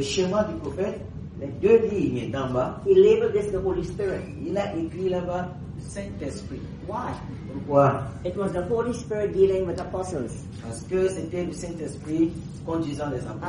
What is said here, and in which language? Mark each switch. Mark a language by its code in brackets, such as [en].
[fr] schéma du prophète, les deux lignes d'en bas, [en] he labeled this the Holy Spirit. [fr] Il a écrit là-bas le Saint-Esprit. [en] Why? [fr] Pourquoi? [en] It was the Holy Spirit dealing with apostles. [fr] Parce que c'était le Saint-Esprit conduisant les apôtres.